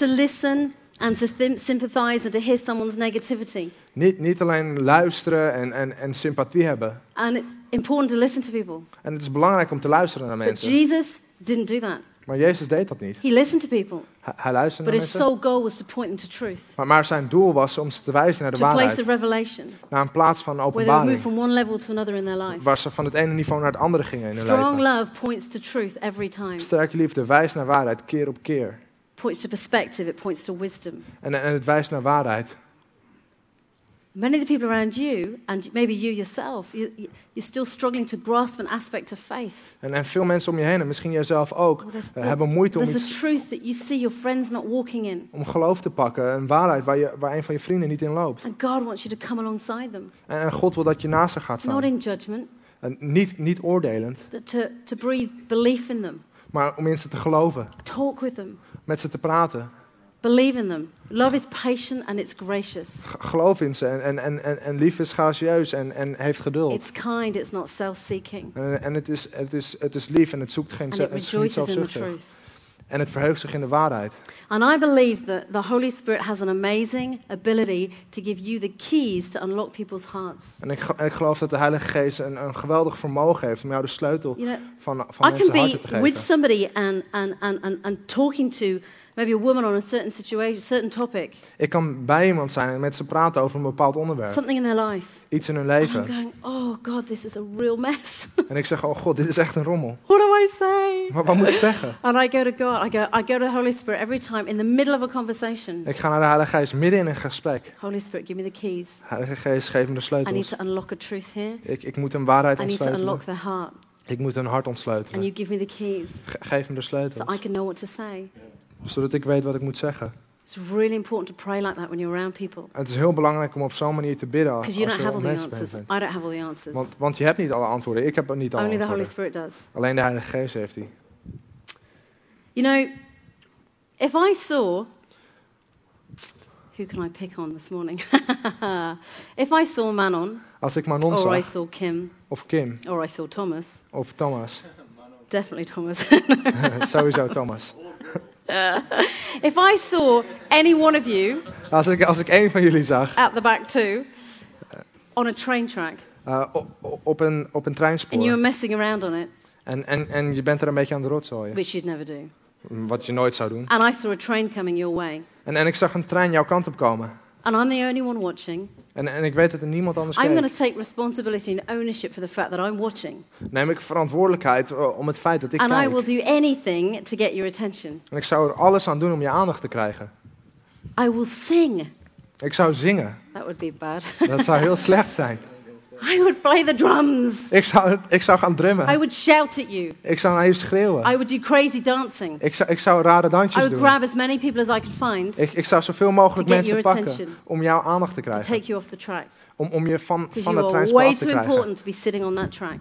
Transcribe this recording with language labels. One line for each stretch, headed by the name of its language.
English: Not just to listen and to sympathize and to hear someone's negativity.
Dutch: Niet alleen luisteren en sympathie hebben.
English: And it's important to listen to people.
Dutch: En het is belangrijk om te luisteren naar
English: but
Dutch: mensen.
English: Jesus didn't do that.
Dutch: Maar Jezus deed dat niet.
English: He listened to people.
Dutch: Hij luisterde
English: but
Dutch: naar
English: his sole goal was to point them to truth.
Dutch: Maar zijn doel was om ze te wijzen naar de
English: to
Dutch: waarheid.
English: A place of revelation.
Dutch: Naar een plaats van openbaring.
English: Where they move from one level to another in their life.
Dutch: Waar ze van het ene niveau naar het andere gingen in hun leven.
English: Strong love points to truth every time.
Dutch: Sterke liefde wijst naar waarheid keer op keer.
English: Points to perspective, it points to wisdom.
Dutch: En het wijst naar waarheid.
English: Many of the people around you, and maybe you yourself, you're still struggling to grasp an aspect of faith.
Dutch: En veel mensen om je heen, en misschien jijzelf ook, hebben moeite om
English: there's a truth that you see your friends not walking in.
Dutch: Om geloof te pakken, een waarheid waar een van je vrienden niet in loopt.
English: And God wants you to come alongside them.
Dutch: En God wil dat je naast ze gaat staan.
English: Not in judgment.
Dutch: En niet oordelend.
English: But to breathe belief in them.
Dutch: Maar om in ze te geloven.
English: Talk with them.
Dutch: Met ze te praten.
English: Believe in them. Love is patient and it's gracious.
Dutch: Geloof in ze en lief is gracieus en heeft geduld. It's kind, it's not self-seeking. En het is lief en het zoekt geen zelfzuchtig. En het verheugt zich in de waarheid.
English: And I believe that the Holy Spirit has an amazing ability to give you the keys to unlock people's hearts.
Dutch: En ik geloof dat de Heilige Geest een geweldig vermogen heeft om jou de sleutel van mensen harten te geven.
English: I can be with somebody and talking to maybe a woman on a certain situation, certain topic.
Dutch: Ik kan bij iemand zijn en met ze praten over een bepaald onderwerp.
English: Something in their life.
Dutch: Iets in hun leven.
English: And I'm going, oh God, this is a real mess.
Dutch: En ik zeg, oh God, dit is echt een rommel.
English: What do I say?
Dutch: Wat moet ik zeggen?
English: And I go to God. I go to the Holy Spirit every time in the middle of a conversation.
Dutch: Ik ga naar de Heilige Geest midden in een gesprek.
English: Holy Spirit, give me the keys.
Dutch: Heilige Geest, geef me de sleutels.
English: I need to unlock a truth here.
Dutch: Ik moet een waarheid ontsluiten.
English: I need to unlock their heart.
Dutch: Ik moet hun hart ontsluiten.
English: And you give me the keys.
Dutch: Geef me de sleutels.
English: So I can know what to say.
Dutch: Zodat ik weet wat ik moet zeggen.
English: It's really important to pray like that when you're around people.
Dutch: Het is heel belangrijk om op zo'n manier te bidden als je om mensen bent.
English: I don't have all the answers.
Dutch: Want je hebt niet alle antwoorden. Ik heb er niet alle
English: only
Dutch: antwoorden.
English: The Holy Spirit does.
Dutch: Alleen de Heilige Geest heeft die.
English: You know, if I saw, who can I pick on this morning? If I saw Manon,
Dutch: als ik Manon
English: or
Dutch: zag,
English: or I saw Kim,
Dutch: of Kim,
English: or I saw Thomas,
Dutch: of Thomas,
English: definitely Thomas.
Dutch: Sowieso Thomas.
English: If I saw any one of you
Dutch: als ik één van jullie zag
English: at the back too on a train track
Dutch: op een treinspoor
English: and you were messing around on it
Dutch: en je bent er een beetje aan de rotzooien
English: which you'd never do
Dutch: wat je nooit zou doen
English: and I saw a train coming your way
Dutch: en ik zag een trein jouw kant op komen
English: and I'm the only one watching
Dutch: En ik weet dat er niemand anders kijkt.
English: I'm going to take responsibility and ownership for the fact that I'm watching.
Dutch: Neem ik verantwoordelijkheid om het feit dat ik
English: and
Dutch: kijk.
English: And I will do anything to get your attention.
Dutch: En ik zou er alles aan doen om je aandacht te krijgen.
English: I will sing.
Dutch: Ik zou zingen.
English: That would be bad.
Dutch: Dat zou heel slecht zijn.
English: I would play the drums.
Dutch: Ik zou gaan drummen.
English: I would shout at you.
Dutch: Ik zou naar je schreeuwen.
English: I would do crazy dancing.
Dutch: Ik zou rare dansjes doen.
English: I would grab as many people as I could find.
Dutch: Ik zou zoveel mogelijk mensen pakken om jouw aandacht te krijgen. To take you off the track. Om je van de trein af te krijgen.
English: Way too important to be sitting on that track.